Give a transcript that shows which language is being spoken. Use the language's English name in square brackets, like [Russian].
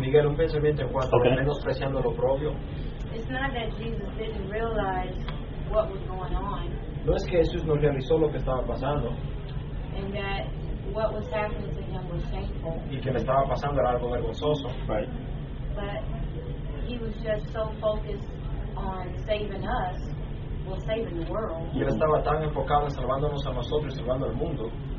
[Spanish] Miguel, un pensamiento en cuanto a menospreciando lo propio. [English] It's not that Jesus didn't realize what was going on. [Spanish] No es que Jesús no realizó lo que estaba pasando. [English] And that what was happening to him was shameful. [Spanish] Y que le estaba pasando era algo vergonzoso. [English] Right. But he was just so focused on saving us, well, saving the world. [Spanish] Y él estaba tan enfocado en salvándonos a nosotros y salvando al mundo.